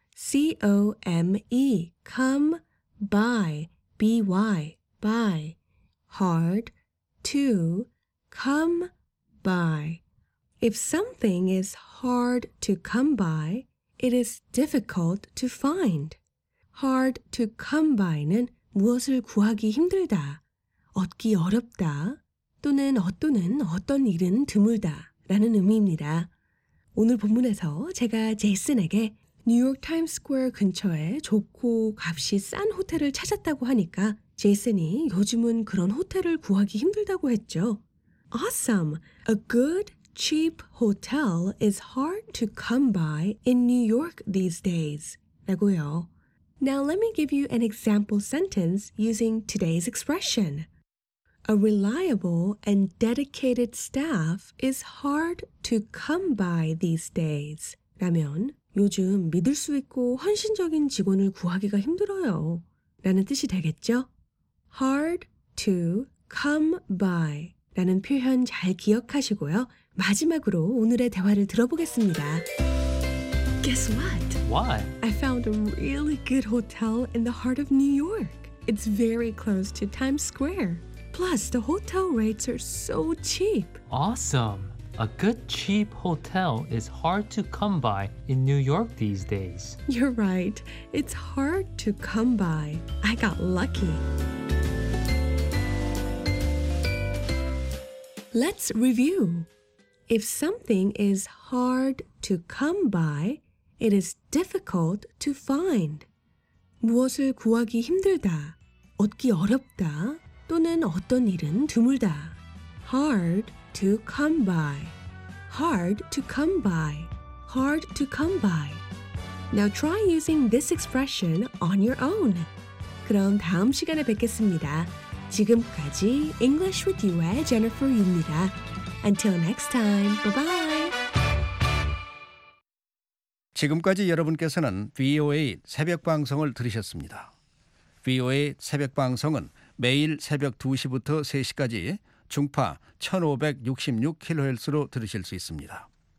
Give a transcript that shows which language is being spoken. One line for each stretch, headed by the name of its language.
English: C-O-M-E. Come. By, B-Y, by, hard, to, come, by. If something is hard to come by, it is difficult to find. Hard to come by
Korean: 는 무엇을 구하기 힘들다, 얻기 어렵다, 또는 어떠는 어떤 일은 드물다 라는 의미입니다. 오늘 본문에서 제가 제이슨에게 뉴욕 타임스퀘어 근처에 좋고 값이 싼 호텔을 찾았다고 하니까 제이슨이 요즘은 그런 호텔을 구하기 힘들다고 했죠.
English: Awesome! A good, cheap hotel is hard to come by in New York these days.
Korean: 라고요.
English: Now let me give you an example sentence using today's expression. A reliable and dedicated staff is hard to come by these days.
Korean: 라면 요즘 믿을 수 있고 헌신적인 직원을 구하기가 힘들어요. 라는 뜻이 되겠죠?
English: Hard to come by
Korean: 라는 표현 잘 기억하시고요. 마지막으로 오늘의 대화를 들어보겠습니다.
English: Guess what? What? I found a really good hotel in the heart of New York. It's very close to Times Square. Plus, the hotel rates are so cheap. Awesome! A good cheap hotel is hard to come by in New York these days. You're right. It's hard to come by. I got lucky. Let's review. If something is hard to come by, it is difficult to find.
Korean: 무엇을 구하기 힘들다, 얻기 어렵다, 또는 어떤 일은 드물다.
English: Hard to come by. Hard to come by. Hard to come by. Now try using this expression on your own.
Korean: 그럼 다음 시간에 뵙겠습니다. 지금까지 English with You의 Jennifer Yu입니다.
English: Until next time, bye-bye.
Korean: 지금까지 여러분께서는 VOA 새벽 방송을 들으셨습니다. VOA 새벽 방송은 매일 새벽 2시부터 3시까지 중파 1566kHz로 들으실 수 있습니다.